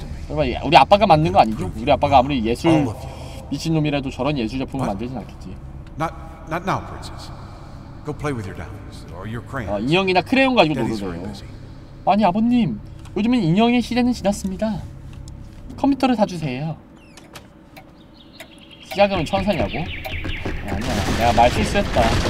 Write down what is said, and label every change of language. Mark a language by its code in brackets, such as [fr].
[ko] 여러분, 우리 아빠가 만든 거 아니죠? 우리 아빠가 아무리 예술 미친놈이라도 저런 예술 작품을 만들진 않겠지. [en] Not now, princess. Go play with your dolls or your crayons. [ko] 인형이나 크레용 가지고 놀으세요. 아니, 아버님. 요즘은 인형의 시대는 지났습니다. 컴퓨터를 사주세요. 시작하면 천사냐고? 아니야, 내가 말 실수했다.